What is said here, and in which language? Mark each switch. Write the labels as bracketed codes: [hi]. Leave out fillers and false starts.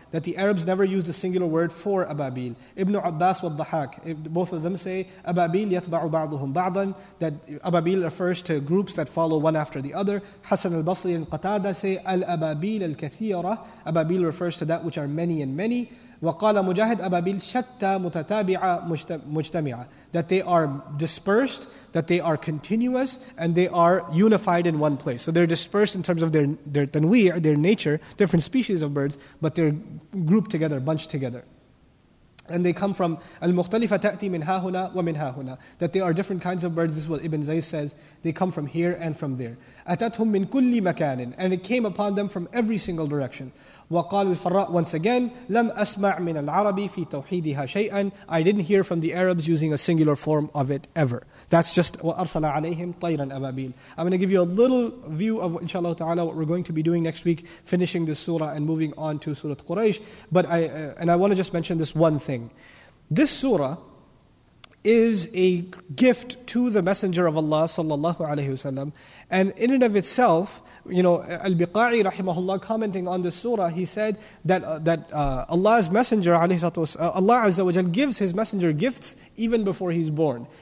[en] That the Arabs never used a singular word for Ababil. Ibn Abbas wa Dhahak, both of them say, [ar] Ababil yatba'u ba'duhum ba'dan. [en] That Ababil refers to groups that follow one after the other. Hassan al-Basri and Qatada say, [ar] Al-Ababil al-Kathira. [en] Ababil refers to that which are many and many. [ar] وقال مجاهد أبابيل شتى متتابعة مجتمعة. [en] That they are dispersed, that they are continuous, and they are unified in one place. So they're dispersed in terms of their tanwi', their nature, different species of birds, but they're grouped together, bunched together. And they come from [ar] المختلفة تأتي من هاهنا ومن هاهنا. [en] That they are different kinds of birds. This is what Ibn Zayd says. They come from here and from there. [ar] أتتهم من كل مكان. [en] And it came upon them from every single direction. [ar] وقال الفراء, [en] once again, [ar] لم أسمع من العربي في توحيدها شيئا. [en] I didn't hear from the Arabs using a singular form of it ever. That's just what [ar] أرسل عليهم طيرا أبابيل. [en] I'm going to give you a little view of, inshallah ta'ala, what we're going to be doing next week, finishing this surah and moving on to Surah Quraysh. But I want to just mention this one thing. This surah is a gift to the Messenger of Allah sallallahu alayhi wa sallam, and in and of itself, you know, Al-Biqa'i rahimahullah, commenting on this surah, he said that Allah's Messenger, Allah Azza wa Jal, gives his Messenger gifts even before he's born.